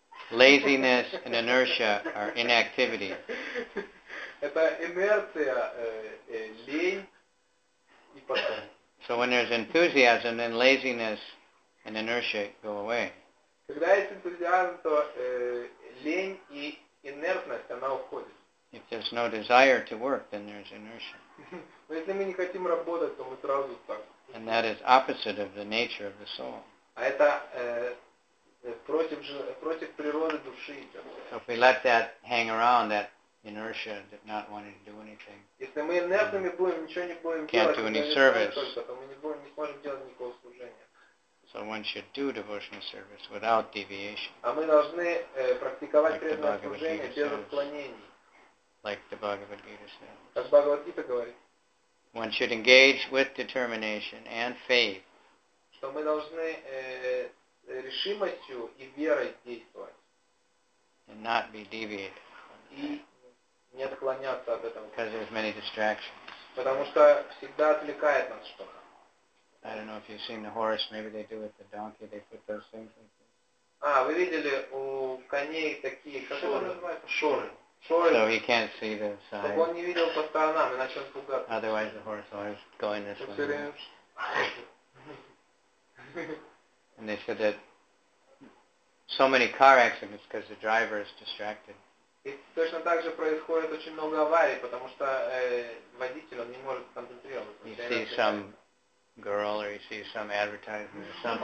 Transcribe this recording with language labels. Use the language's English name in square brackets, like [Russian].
[English] Laziness and inertia are inactivity. [Russian] Это инерция, лень. [English] So when there's enthusiasm, then laziness and inertia go away. [Russian] Когда есть энтузиазм, то лень и инертность, она уходит. [English] If there's no desire to work, then there's inertia. [Russian] Но если мы не хотим работать, то мы сразу так. [English] And that is opposite of the nature of the soul. [Russian] А это против природы души. [English] So if we let that hang around, that inertia, that not wanting to do anything. [Russian] Если мы инертными будем, ничего не будем [English] can't [Russian] делать, [English] do any service. [Russian] То мы не сможем делать никакого служения. [English] So one should do devotional service without deviation. [Russian] А мы должны практиковать преданное служение без отклонений. [English] Like the Bhagavad Gita says. [Russian] Как Бхагавад Гита говорит. [English] One should engage with determination and faith. [Russian] Что мы должны решимостью и верой действовать. [English] And not be deviated. [Russian] И не отклоняться от этого. [English] Because there's many distractions. [Russian] Потому что всегда отвлекает нас что-то. [English] I don't know if you've seen the horse, maybe they do with the donkey, they put those things in. [Russian] Вы видели у коней такие, как это называется? Шоры. [English] So he can't see the side. [Russian] Чтобы он не видел по сторонам, иначе он пугается. [English] Otherwise the horse always going this way. And they said that so many car accidents because the driver is distracted. [Russian] И точно так же происходит очень много аварий, потому что водитель, он не может концентрироваться. [English] You see some girl or he sees some advertisement or something.